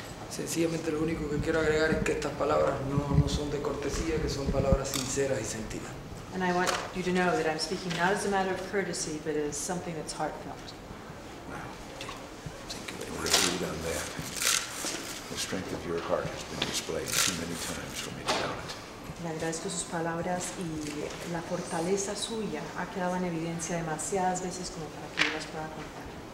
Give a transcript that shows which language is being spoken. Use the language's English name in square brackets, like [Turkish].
[Spanish] Sencillamente, lo único que quiero agregar es que estas palabras no son de cortesía, que son palabras sinceras y sentidas. [English] And I want you to know that I'm speaking not as a matter of courtesy, but as something that's heartfelt. Wow. Thank you. We're agreed on that. The strength of your heart has been displayed too many times for me to doubt it. Thank you. [Spanish] Le agradezco sus palabras y la fortaleza suya ha quedado en evidencia demasiadas veces como para que yo las pueda contar.